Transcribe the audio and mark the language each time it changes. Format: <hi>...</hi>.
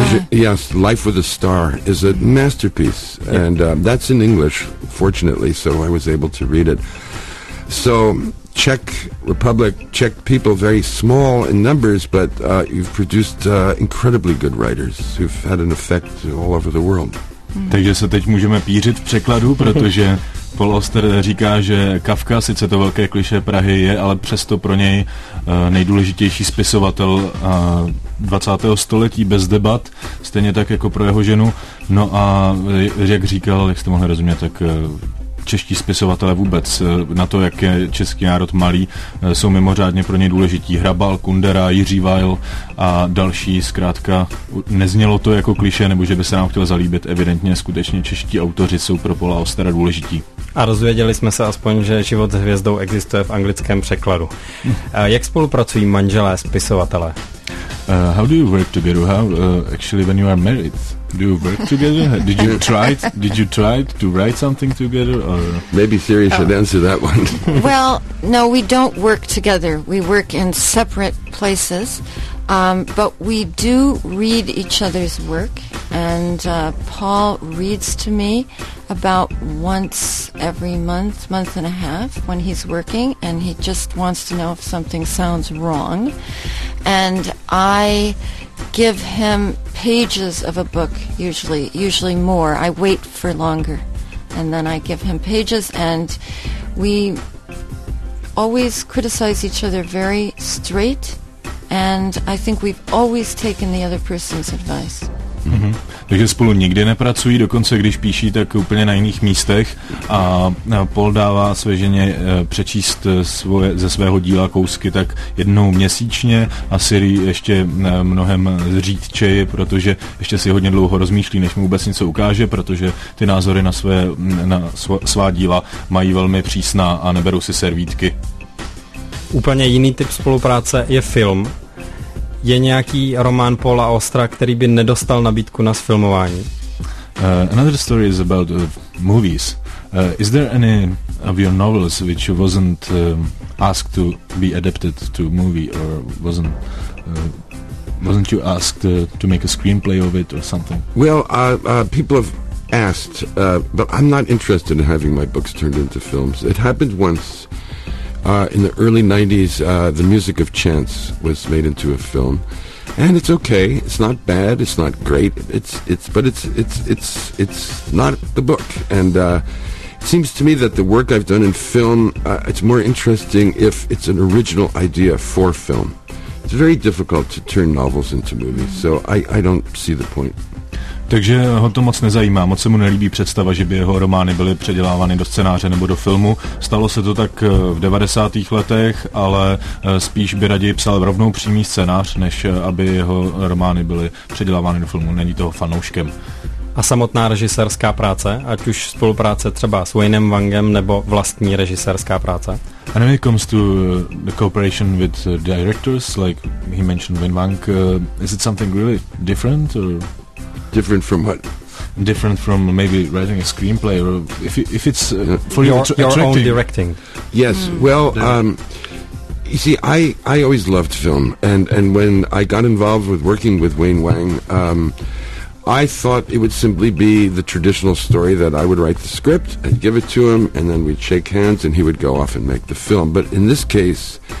<en>Yes, Life with a Star is a masterpiece. Yeah. And that's in English, fortunately, so I was able to read it. So Czech Republic, Czech people, very small in numbers, but you've produced incredibly good writers who've had an effect all over the world.</en> <cs>Takže se teď můžeme pířit v překladu, protože Paul Auster říká, že Kafka, sice to velké klišé Prahy je, ale přesto pro něj nejdůležitější spisovatel 20. století bez debat, stejně tak jako pro jeho ženu. No a jak říkal, jak jste mohli rozumět, tak čeští spisovatelé vůbec na to, jak je český národ malý, jsou mimořádně pro něj důležití. Hrabal, Kundera, Jiří Vajl a další, zkrátka, neznělo to jako kliše, nebo že by se nám chtěl zalíbit, evidentně skutečně čeští autoři jsou pro Paula Austera důležití. A rozvěděli jsme se aspoň, že Život s hvězdou existuje v anglickém překladu. Jak spolupracují manželé spisovatelé?</cs> <en>How do you work together? Actually, when you are married, do you work together? Did you try to write something together? Or? Maybe Siri should answer that one. Well, no, we don't work together. We work in separate places. But we do read each other's work. And Paul reads to me about once every month and a half, when he's working. And he just wants to know if something sounds wrong. And I give him pages of a book, usually more. I wait for longer, and then I give him pages, and we always criticize each other very straight, and I think we've always taken the other person's advice. Mm-hmm.</en> <cs>Takže spolu nikdy nepracují, dokonce když píší, tak úplně na jiných místech, a Paul dává své ženě přečíst ze svého díla kousky tak jednou měsíčně, a Siri ještě mnohem zřídčeji, protože ještě si hodně dlouho rozmýšlí, než mu vůbec něco ukáže, protože ty názory na svá díla mají velmi přísná a neberou si servítky. Úplně jiný typ spolupráce je film. Je nějaký román Paula Austera, který by nedostal nabídku na sfilmování?</cs> <en>Another story is about movies. Is there any of your novels which wasn't asked to be adapted to movie, or wasn't you asked to make a screenplay of it or something? Well, people have asked, but I'm not interested in having my books turned into films. It happened once. In the early 90s, The Music of Chance was made into a film, and it's okay. It's not bad. It's not great. It's not the book. And it seems to me that the work I've done in film, it's more interesting if it's an original idea for film. It's very difficult to turn novels into movies, so I don't see the point.</en> <cs>Takže ho to moc nezajímá, moc se mu nelíbí představa, že by jeho romány byly předělávány do scénáře nebo do filmu. Stalo se to tak v 90. letech, ale spíš by raději psal rovnou přímý scénář, než aby jeho romány byly předělávány do filmu. Není toho fanouškem. A samotná režisérská práce, ať už spolupráce třeba s Wayneem Wangem nebo vlastní režisérská práce?</cs> <en>And when it comes to the cooperation with directors, like he mentioned Wayne Wang, is it something really different or... Different from what? Different from maybe writing a screenplay, or if it's for your own directing. Yes. Well, you see, I always loved film, and when I got involved with working with Wayne Wang, I thought it would simply be the traditional story that I would write the script and give it to him, and then we'd shake hands, and he would go off and make the film. But in this case,</en>